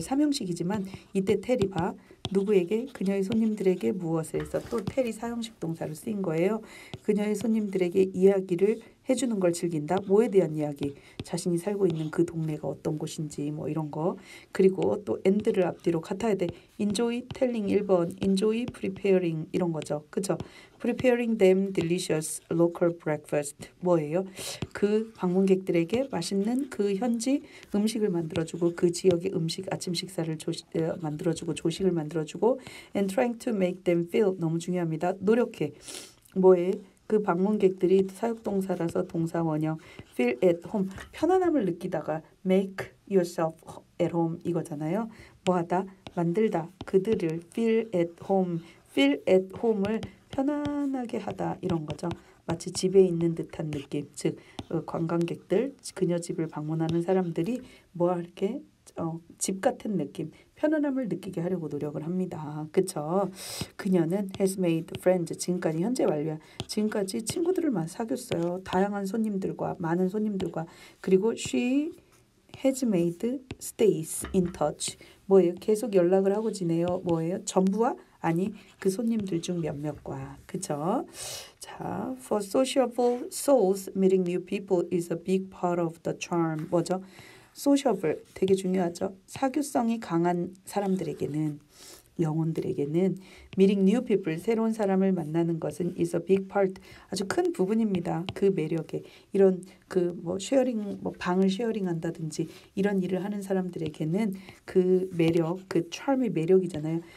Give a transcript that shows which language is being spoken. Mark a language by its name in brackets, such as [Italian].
[Korean] 삼형식이지만 이때 텔이 봐. 누구에게? 그녀의 손님들에게 무엇을. 해서 또 텔이 사형식 동사로 쓰인 거예요. 그녀의 손님들에게 이야기를 해주는 걸 즐긴다. 뭐에 대한 이야기? 자신이 살고 있는 그 동네가 어떤 곳인지 뭐 이런 거. 그리고 또 end를 앞뒤로 같아야 돼. [English] enjoy telling 1번, enjoy preparing [Korean] 이런 거죠. 그쵸? [English] preparing them delicious local breakfast. [Korean] 뭐예요? 그 방문객들에게 맛있는 그 현지 음식을 만들어주고 그 지역의 음식, 아침 식사를 만들어주고 조식을 만들어주고 [English] and trying to make them feel [Korean] 너무 중요합니다. 노력해. 뭐에? 그 방문객들이 사역동사라서 동사원형 [English] feel at home [Korean] 편안함을 느끼다가 [English] make yourself at home [Korean] 이거잖아요. 뭐하다? 만들다. [English] 그들을 feel at home feel at home을 [Korean] 편안하게 하다 이런 거죠. 마치 집에 있는 듯한 느낌. 즉 관광객들 그녀 집을 방문하는 사람들이 뭐할게 집 같은 느낌 편안함을 느끼게 하려고 노력을 합니다. 그렇죠? 그녀는 [English] has made friends. [Korean] 지금까지 현재 완료야. 지금까지 친구들을 많이 사귀었어요. 다양한 손님들과 많은 손님들과 그리고 [English] she has made stays in touch. [Korean] 뭐예요? 계속 연락을 하고 지내요. 뭐예요? 전부와? 아니 그 손님들 중 몇몇과. 그렇죠? 자, [English] for sociable souls, meeting new people is a big part of the charm. [Korean] 뭐죠? 소셔블 되게 중요하죠. 사교성이 강한 사람들에게는 영혼들에게는 [English] meeting new people [Korean] 새로운 사람을 만나는 것은 [English] is a big part [Korean] 아주 큰 부분입니다. 그 매력에 이런 그 뭐 쉐어링 뭐 방을 쉐어링한다든지 이런 일을 하는 사람들에게는 그 매력 그 charm의 매력이잖아요.